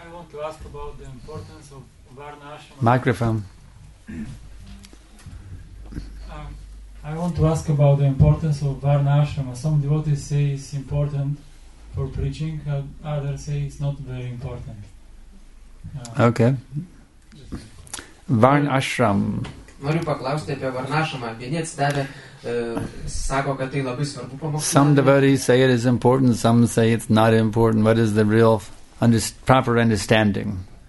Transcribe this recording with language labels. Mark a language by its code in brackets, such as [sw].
[en] To ask about the importance of Varna Ashram. Microphone. I want to ask about the importance of Varna Ashram. Some devotees say it's important for preaching, others say it's not very important. Okay. Varna Ashram. [lt] Noriu paklausti apie Varna Ashramą. Vieni atsidavę sako, kad tai labai svarbu pamokslauti. [en] Some devotees say it is important, some say it's not important. What is the real proper understanding?